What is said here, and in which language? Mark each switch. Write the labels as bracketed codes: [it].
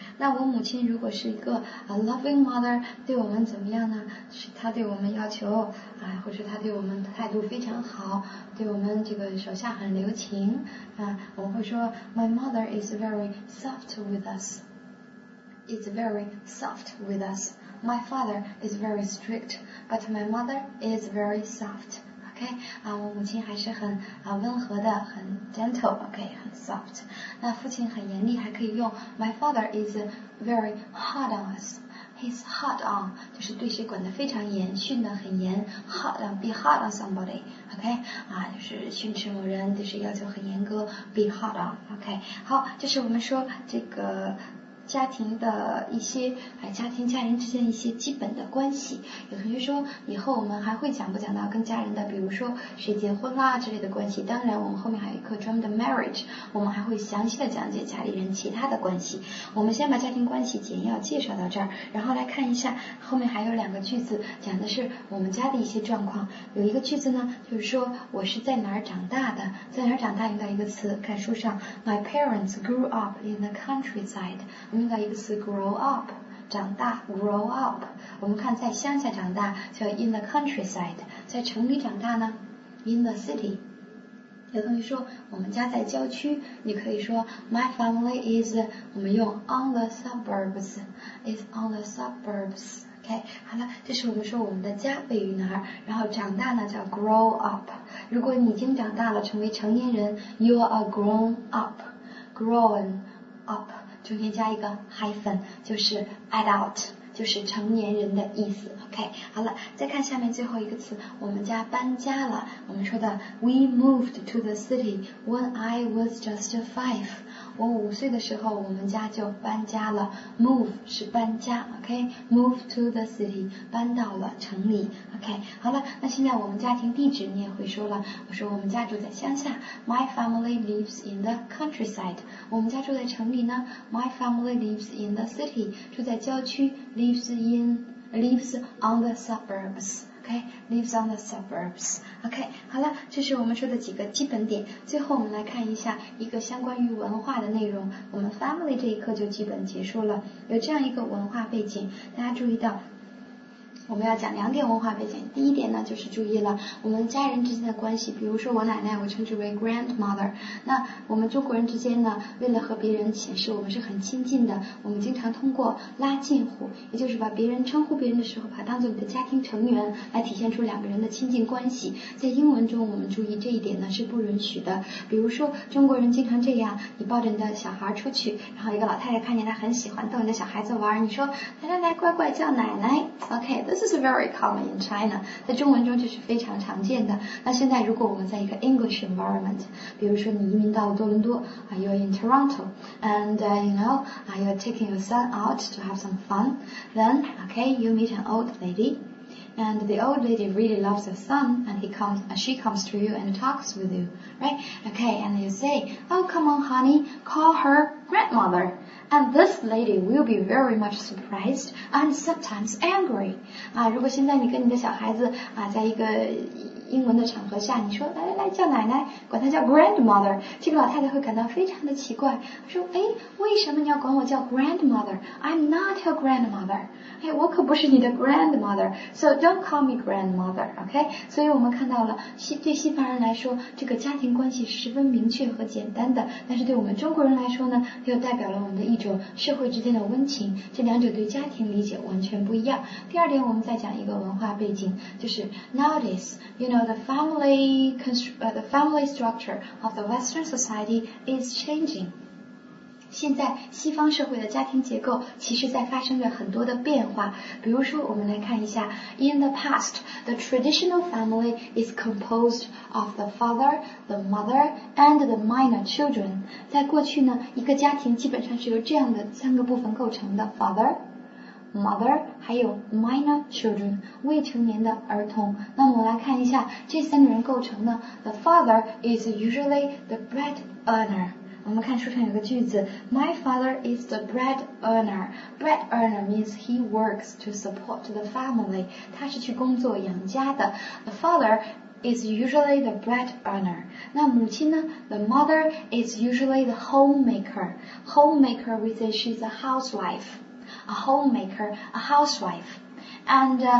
[zh] 那我母亲如果是一个 [en] a loving mother, [zh] 对我们怎么样呢？是她对我们要求，或者她对我们态度非常好，对我们这个手下很留情，我会说 [en] my mother is very soft with us, [zh] is very soft with us. [en] My father is very strict, but my mother is very soft. [zh] OK, 我母亲还是很温和的，很 gentle, OK, 很 soft. 那父亲很严厉，还可以用 [en] My father is very hard on us. He's hard on, [zh] 就是对谁管得非常严，训得很严 [en] hard on, be hard on somebody, [zh] OK, 就是训斥某人，对谁要求很严格 [en] be hard on, [zh] OK. 好，就是我们说这个家庭的一些家庭家人之间一些基本的关系。有同学说以后我们还会讲不讲到跟家人的比如说谁结婚啦之类的关系，当然我们后面还有一课专门的 marriage, 我们还会详细的讲解家里人其他的关系。我们先把家庭关系简要介绍到这儿，然后来看一下后面还有两个句子讲的是我们家的一些状况。有一个句子呢就是说我是在哪儿长大的，在哪儿长大用到一个词，看书上 [en] My parents grew up in the countryside, [zh] 我们用到一个词 [en] grow up, [zh] 长大 [en] grow up， [zh] 我们看在乡下长大叫 [en] in the countryside， [zh] 在城里长大呢 [en] in the city。 [zh] 有同学说我们家在郊区，你可以说 [en] my family is， [zh] 我们用 on the suburbs， [en] is on the suburbs。 [zh] OK， 好了，这是我们说我们的家位于哪儿，然后长大呢叫 [en] grow up。 [zh] 如果你已经长大了成为成年人， [en] you are grown up， [zh] grown up，中间加一个 hyphen， 就是 adult， 就是成年人的意思。 OK， 好了，再看下面最后一个词，我们家搬家了，我们说的 [en] we moved to the city when I was just five， [zh] 我五岁的时候我们家就搬家了， move 是搬家。 [en] OK， move to the city， [zh] 搬到了城里。 OK， 好了，那现在我们家庭地址你也会说了，我说我们家住在乡下， [en] my family lives in the countryside， [zh] 我们家住在城里呢， [en] my family lives in the city， [zh] 住在郊区， [en] lives in， lives on the suburbs， [zh] OK， [en] lives on the suburbs， [zh] OK， 好了，这是我们说的几个基本点。最后我们来看一下一个相关于文化的内容，我们 family 这一课就基本结束了。有这样一个文化背景，大家注意到我们要讲两点文化背景。第一点呢，就是注意了我们家人之间的关系，比如说我奶奶，我称之为 grandmother。那我们中国人之间呢，为了和别人显示我们是很亲近的，我们经常通过拉近乎，也就是把别人称呼别人的时候把当做你的家庭成员，来体现出两个人的亲近关系。在英文中我们注意这一点呢是不允许的，比如说中国人经常这样，你抱着你的小孩出去，然后一个老太太看见她很喜欢逗你的小孩子玩，你说来来来乖乖叫奶奶。 [en] OK，This is very common in China， [zh] 在中文中就是非常常见的。 [en] 那现在如果我们在一个 English environment， 比如说你移民到多伦多， you're in Toronto， and you know you're taking your son out to have some fun， then okay you meet an old lady， and the old lady really loves her son， and she comes to you and talks with you， right？ Okay， and you say， oh come on honey， call her grandmother。 And this lady will be very much surprised and sometimes angry. [zh] 啊，如果现在你跟你的小孩子啊，在一个英文的场合下，你说来来来叫奶奶，管她叫 grandmother， 这个老太太会感到非常的奇怪，说哎，为什么你要管我叫 grandmother？ [en] I'm not your grandmother。 [zh] 哎，我可不是你的 [en] grandmother， so don't call me grandmother， OK？ [zh] 所以我们看到了，对西方人来说，这个家庭关系十分明确和简单的，但是对我们中国人来说呢，又代表了我们的一种社会之间的温情，这两者对家庭理解完全不一样。第二点，我们再讲一个文化背景，就是 [en] nowadays， you know the family structure of the Western society is changing。 [zh] 现在西方社会的家庭结构其实在发生着很多的变化，比如说我们来看一下， [en] In the past, the traditional family is composed of the father, the mother, and the minor children. [zh] 在过去呢，一个家庭基本上是由这样的三个部分构成的， father,mother 还有 [en] minor children [zh] 未成年的儿童。那我们来看一下这三个人构成呢， [en] the father is usually the bread earner。 [zh] 我们看书上有个句子， [en] my father is the bread earner， bread earner means he works to support the family， [zh] 他是去工作养家的。 [en] the fatheris usually the bread earner。 [zh] 那母亲呢， [en] the mother is usually the homemaker， homemaker we say she's a housewife， a homemaker， a housewife， and